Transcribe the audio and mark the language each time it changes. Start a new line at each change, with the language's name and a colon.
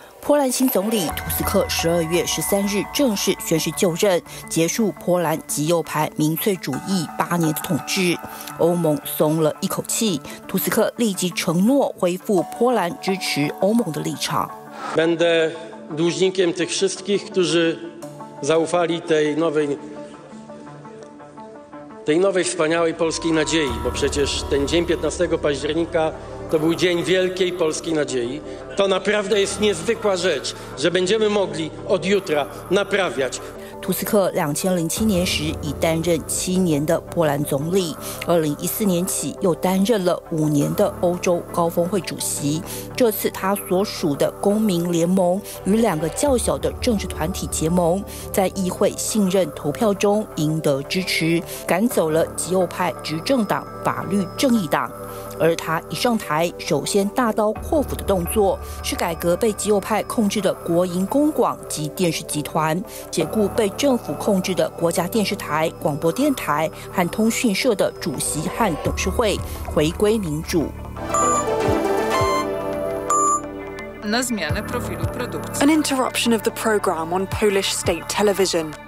Chinese: 波兰新总理图斯克12月13日正式宣誓就任，结束波兰极右派民粹主义8年的统治。欧盟松了一口气，图斯克立即承诺恢复波兰支持欧盟的立场。
Polish: Będę dłużnikiem tych wszystkich, którzy zaufali tej nowej wspaniałej polskiej nadziei, bo przecież ten dzień 15 października to był dzień wielkiej polskiej nadziei. To naprawdę jest niezwykła rzecz, że będziemy mogli od jutra naprawiać.
Chinese: 图斯克2007年时已担任7年的波兰总理，2014年起又担任了5年的欧洲高峰会主席。这次他所属的公民联盟与两个较小的政治团体结盟，在议会信任投票中赢得支持，赶走了极右派执政党法律正义党。而他一上台，首先大刀阔斧的动作是改革被极右派控制的国营公广及电视集团，解雇被政府控制的国家电视台、广播电台和通讯社的主席和董事会，回归民主。
English: An interruption of the program on Polish state television.